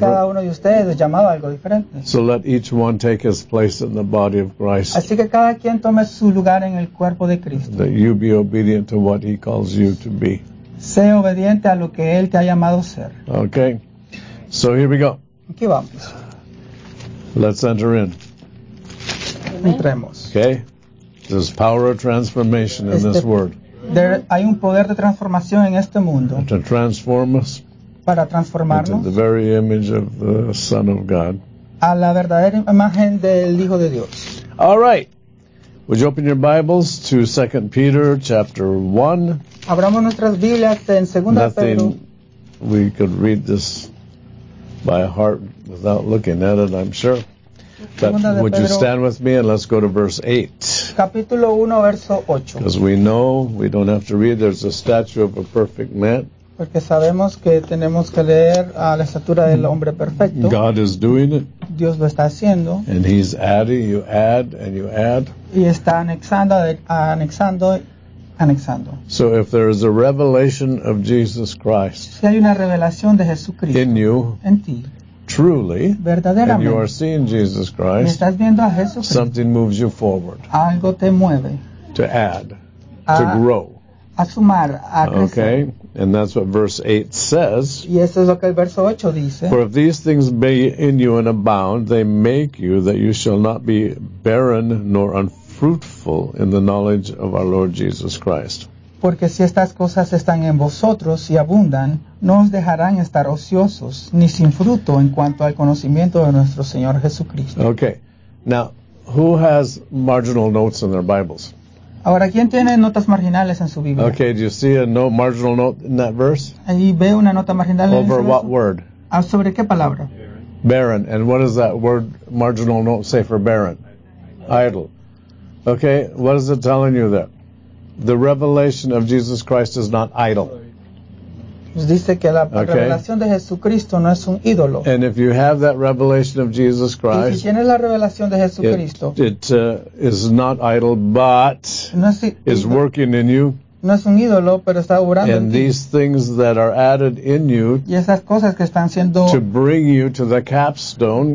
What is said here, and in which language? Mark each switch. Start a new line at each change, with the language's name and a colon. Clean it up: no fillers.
Spanish: Cada uno de ustedes es llamado a algo diferente.
English: So let each one take his place in the body of Christ.
Spanish: Así que cada quien tome su lugar en el cuerpo de Cristo.
English: That you be obedient to what he calls you to be.
Spanish: Sé obediente a lo que él te ha llamado a ser.
English: Okay. So here we go.
Spanish: Aquí vamos.
English: Let's enter in.
Spanish: Entremos.
English: Okay. There's power of transformation in this word.
Spanish: Hay un poder de transformación en este mundo.
English: To transform us.
Spanish: Para transformarnos.
English: Into the very image of the Son of God.
Spanish: A la verdadera imagen del Hijo de Dios.
English: All right. Would you open your Bibles to 2 Peter chapter 1?
Spanish: Abramos nuestras Biblias en 2 Pedro.
English: Nothing we could read this by heart without looking at it, I'm sure. But would you stand with me and let's go to verse 8?
Spanish: Capítulo 1, verso 8.
English: Because we know, we don't have to read, there's a statue of a perfect man.
Spanish: Porque sabemos que tenemos que leer a la estatura del hombre perfecto.
English: God is doing it.
Spanish: Dios lo está haciendo.
English: And he's adding, you add, and you add.
Spanish: Y está anexando, anexando, anexando.
English: So if there is a revelation of Jesus Christ.
Spanish: Si hay una revelación de Jesucristo.
English: In you.
Spanish: En ti.
English: Truly,
Spanish: verdaderamente,
English: and you are seeing Jesus Christ,
Spanish: estás viendo a Jesucristo,
English: something moves you forward.
Spanish: Algo te mueve.
English: To add, to grow.
Spanish: A sumar, a crecer.
English: Okay, and that's what verse 8 says.
Spanish: Y eso es lo que el verso 8 dice.
English: For if these things be in you and abound, they make you that you shall not be barren nor unfruitful in the knowledge of our Lord Jesus Christ.
Spanish: Porque si estas cosas están en vosotros y abundan, no os dejarán estar ociosos ni sin fruto en cuanto al conocimiento de nuestro Señor Jesucristo.
English: Okay. Now, who has marginal notes in their Bibles?
Spanish: Ahora, ¿quién tiene notas marginales en su Biblia?
English: Okay, do you see a note, marginal note in that verse?
Spanish: Ahí ve una nota marginal
English: over
Spanish: en ese verso.
English: Over what word?
Spanish: ¿Sobre qué palabra?
English: Barren. And what does that word marginal note say for barren? Idle. Okay, what is it telling you there? The revelation of Jesus Christ is not idle.
Spanish: Dice que la revelación de Jesucristo no es un ídolo.
English: And if you have that revelation of Jesus Christ,
Spanish: y si tienes la revelación de Jesucristo,
English: it is not idle, but
Spanish: no es ídolo,
English: is working in you.
Spanish: No es un ídolo, pero está obrando.
English: And these things that are added in you,
Spanish: y esas cosas que están siendo,
English: to bring you to the capstone,